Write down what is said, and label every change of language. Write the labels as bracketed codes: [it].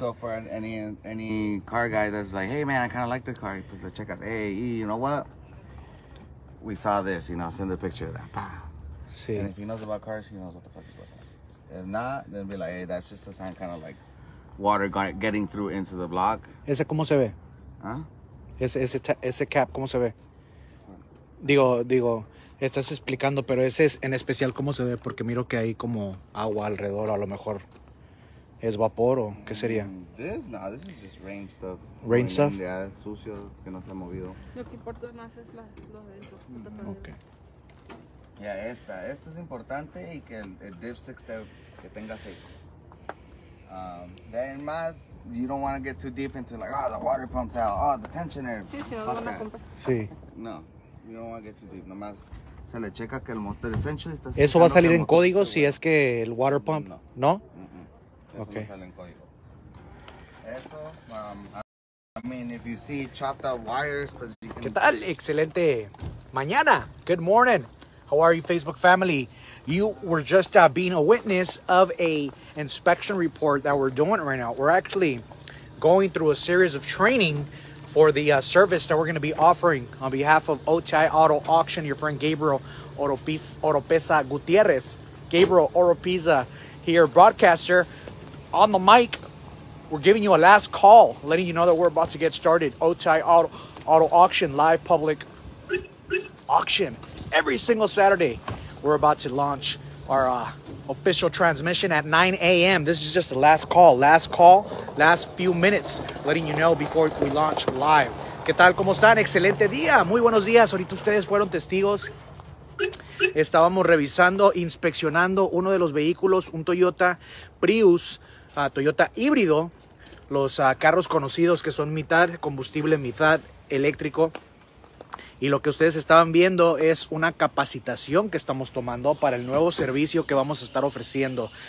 [en] So for any car guy that's like, hey man, I kind of like the car, he puts the check out. Hey, you know what? We saw this, you know, send a picture of that. Bah. See. And if he knows about cars, he knows what the fuck is looking like. If not, then be like, hey, that's just a sign kind of like water getting through into the block. [es] ¿Ese cómo se ve? Huh? Ese cap, ¿cómo se ve? Digo, estás explicando, pero ese es en especial, ¿cómo se ve? Porque miro que hay como agua alrededor, a lo mejor. ¿Es vapor o qué sería? [en] This is just rain stuff. Rain stuff? [es] Ya es sucio, que no se ha movido. Lo que importa más es lo de esto. Ok. Ya, esta es importante y que el dipstick esté, que tenga seco. [en] Then más, you don't want to get too deep into like, the water pumps out, the tensioner. [es] Sí. [en] No, you don't want to get too deep. [es] Nomás se le checa que el motor essentially está... ¿Eso va a salir en código si es que el water pump? No. ¿No? [en] Eso okay. Eso, if you see chopped out wires, because [es] ¿qué tal? Excelente. Mañana. [en] Good morning. How are you, Facebook family? You were just being a witness of a inspection report that we're doing right now. We're actually going through a series of training for the service that we're going to be offering on behalf of OTI Auto Auction, your friend Gabriel Oropesa Gutierrez. Gabriel Oropesa here, broadcaster. On the mic, we're giving you a last call, letting you know that we're about to get started. OTI Auto Auction, live public auction. Every single Saturday, we're about to launch our official transmission at 9 a.m. This is just the last call, last few minutes, letting you know before we launch live. [es] ¿Qué tal? ¿Cómo están? Excelente día. Muy buenos días. Ahorita ustedes fueron testigos. Estábamos revisando, inspeccionando uno de los vehículos, un Toyota Prius. Toyota híbrido, los carros conocidos que son mitad combustible, mitad eléctrico. Y lo que ustedes estaban viendo es una capacitación que estamos tomando para el nuevo servicio que vamos a estar ofreciendo.